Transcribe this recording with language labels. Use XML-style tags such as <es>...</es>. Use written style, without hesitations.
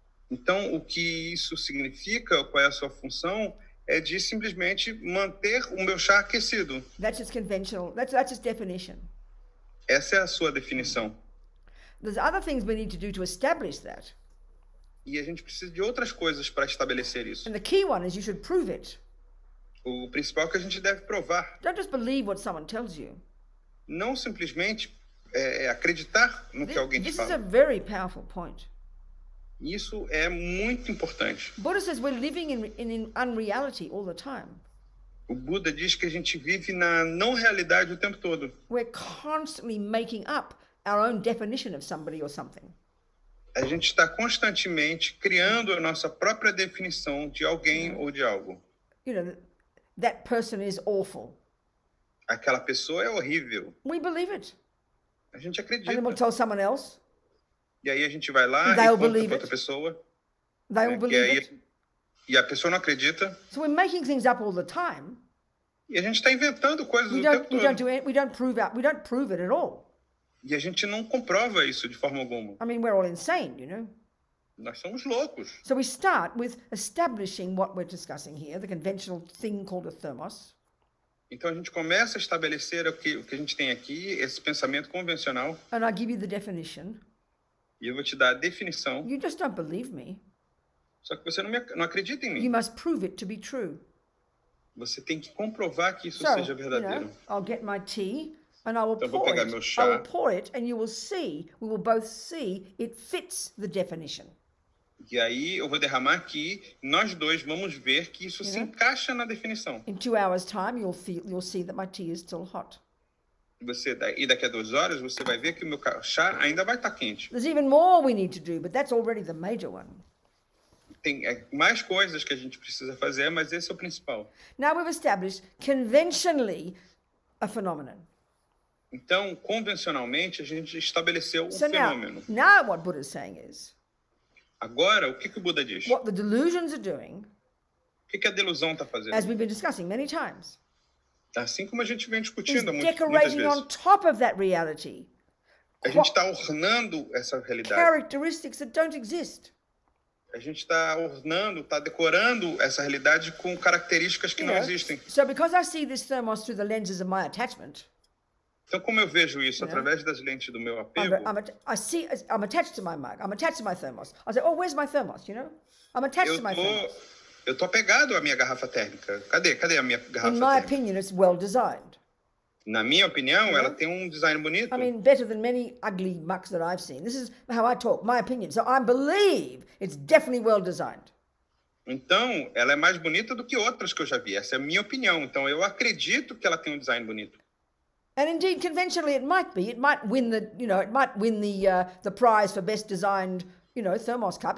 <pt>Então o que isso significa, qual é a sua função, é de simplesmente manter o meu chá aquecido.</pt> <en>That's its conventional, that's its definition.</en> <pt>Essa é a sua definição.</pt> <en>There's other things we need to do to establish that.</en> <pt>E a gente precisa de outras coisas para estabelecer isso.</pt> <en>And the key one is you should prove it.</en> <pt>O principal é que a gente deve provar.</pt> <en>Don't just believe what someone tells you.</en> <pt>Não simplesmente acreditar no</pt> <en>this,</en> <pt>que alguém</pt> <en>this</en> <pt>te fala.</pt> <en>Is a very powerful point.</en> <pt>Isso é muito importante.</pt> <en>Buddha says we're living in unreality all the time.</en> <pt>O Buda diz que a gente vive na não realidade o tempo todo.</pt> <en>We're constantly making up our own definition of somebody or something.</en> <pt>A gente está constantemente criando a nossa própria definição de alguém ou de algo.</pt> <en>You know, that person is awful.</en> <pt>Aquela pessoa é horrível.</pt> <en>We believe it.</en> <pt>A gente acredita.</pt> <en>And then we'll tell someone else.</en> <pt>E aí a gente vai lá e conta para outra pessoa.</pt> <en>They will believe it.</en> <pt>E a pessoa não acredita.</pt> <en>So we're making things up all the time.</en> <pt>E a gente está inventando coisas o tempo todo.</pt> <en>We don't prove it at all.</en> <pt>E a gente não comprova isso de forma alguma.</pt> <en>I mean, we're all insane, you know.</en> <pt>Nós somos loucos.</pt> <en>So we start with establishing what we're discussing here, the conventional thing called a thermos.</en> <pt>Então a gente começa a estabelecer o que a gente tem aqui, esse pensamento convencional.</pt> <en>And I'll give you the definition.</en> <pt>E eu vou te dar a definição.</pt> <en>You just don't believe me.</en> <pt>Só que você não acredita em mim.</pt> <en>You must prove it to be true.</en> <pt>Você tem que comprovar que isso</pt> <en>so,</en> <pt>seja verdadeiro.</pt> <en>You know, I'll get my tea and I will</en> <pt>então</pt> <en>pour</en> <pt>vou pegar</pt> <en>it.</en> <pt>Meu chá.</pt> <en>I will pour it and you will see, we will both see it fits the definition.</en> <pt>E aí eu vou derramar aqui, nós dois vamos ver que isso se encaixa na definição.</pt> <en>In 2 hours time, you'll see that my tea is still hot.</en> <pt>E daqui a 2 horas, você vai ver que o meu chá ainda vai estar quente.</pt> <en>There's even more we need to do, but that's already the major one.</en> <pt>Tem mais coisas que a gente precisa fazer, mas esse é o principal.</pt> <en>Now we've established conventionally a phenomenon.</en> <pt>Então, convencionalmente, a gente estabeleceu</pt> <en>so</en> <pt>fenômeno.</pt> <en>Now what Buddha's saying is,</en> <pt>agora, o que que o Buda diz?</pt> <en>What the delusions are doing,</en> <pt>o que que a delusão está fazendo?</pt> <en>As we've been discussing many times,</en> <pt>assim como a gente vem discutindo muitas vezes.</pt> <en>Decorating on top of that reality.</en> <pt>A gente está ornando essa realidade.</pt> <en>Characteristics that don't exist.</en> <pt>A gente está ornando, está decorando essa realidade com características que</pt> <en>you know,</en> <pt>não existem.</pt> <en>So because I see this thermos through the lenses of my attachment.</en> <pt>Então como eu vejo isso yeah. Através das lentes do meu apego?</pt> <en>I'm attached to my mug. I'm attached to my thermos. I say, oh, where's my thermos? You know? I'm attached to my thermos.</en> <pt>Eu tô apegado à minha garrafa térmica. Cadê a minha garrafa térmica?</pt> <en>In my opinion, it's well designed.</en> <pt>Na minha opinião, yeah. Ela tem design bonito.</pt> <en>I mean, better than many ugly mucks that I've seen. This is how I talk, my opinion. So I believe it's definitely well designed.</en> <pt>Então, ela é mais bonita do que outras que eu já vi. Essa é a minha opinião. Então, eu acredito que ela tem design bonito.</pt> <en>And indeed, conventionally, it might be. It might win the, you know, it might win the prize for best designed, you know, thermos cup.</en>